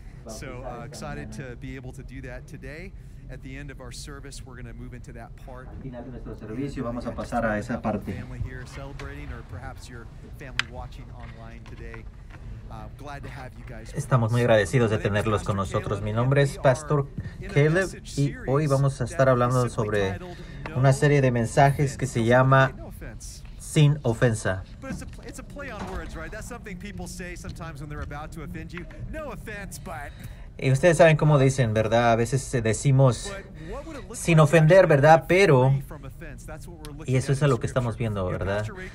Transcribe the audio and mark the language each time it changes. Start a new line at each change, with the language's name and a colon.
English: So excited to be able to do that today. At the end of our service, we're going to move into that part.
Spanish: Al final de nuestro servicio vamos a pasar a esa parte.
English: Family here celebrating, or perhaps your family watching online today. Glad to have you guys.
Spanish: Estamos muy agradecidos de tenerlos con nosotros. Mi nombre es Pastor Caleb y hoy vamos a estar hablando sobre una serie de mensajes que se llama Sin Ofensa.
English: It's a play on words, right? That's something people say sometimes when they're about to offend you. No offense, but.
Spanish: Y ustedes saben cómo dicen, ¿verdad? A veces decimos sin ofender, ¿verdad? Pero, y eso es a lo que estamos viendo, ¿verdad?